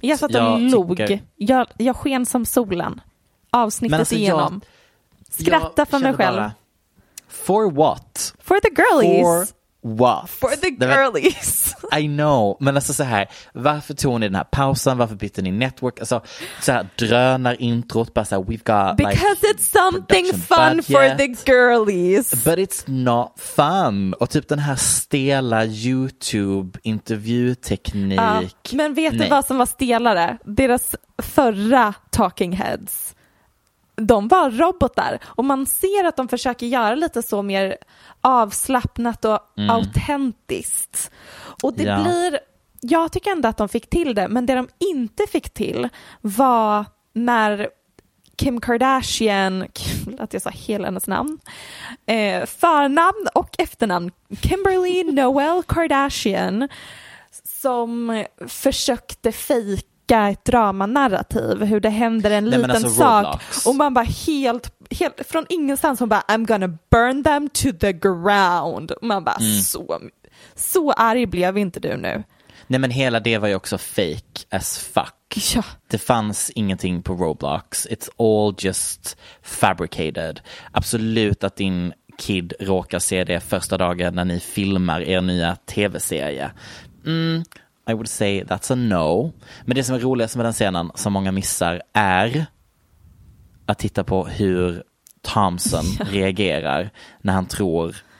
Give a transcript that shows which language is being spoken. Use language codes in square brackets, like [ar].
[sv] Jag satt och log. Jag sken som solen. Avsnittet alltså, igenom. Skratta för mig själv. Bara, [en] for what? For the girlies. For what? For the girlies. I know. [sv] Men alltså så här, varför tog ni den här pausen? Varför bytte ni network? Alltså, så här, drönar introt bara så här, [en] we've got because like, it's something fun budget, for the girlies. But it's not fun. [sv] Och typ den här stela YouTube-intervjuteknik. Men vet du vad som var stelare? Deras förra talking heads. De var robotar. Och man ser att de försöker göra lite så mer avslappnat och autentiskt. Och det blir... Jag tycker ändå att de fick till det. Men det de inte fick till var när Kim Kardashian... Kul att jag sa hela hennes namn. Förnamn och efternamn. Kimberly Noel Kardashian. Som försökte fejka ett dramanarrativ, hur det händer en liten alltså, sak Roblox. Och man bara helt från ingenstans hon bara, [en] I'm gonna burn them to the ground. [sv] Man bara, så arg blev inte du nu. Nej, men hela det var ju också [en] fake as fuck. [sv] Ja. Det fanns ingenting på Roblox. [en] It's all just fabricated. [sv] Absolut att din kid råkar se det första dagen när ni filmar er nya tv-serie. [en] I would say that's a no. [sv] Men det som är roligast med den scenen som många missar är att titta på hur Thompson reagerar när han tror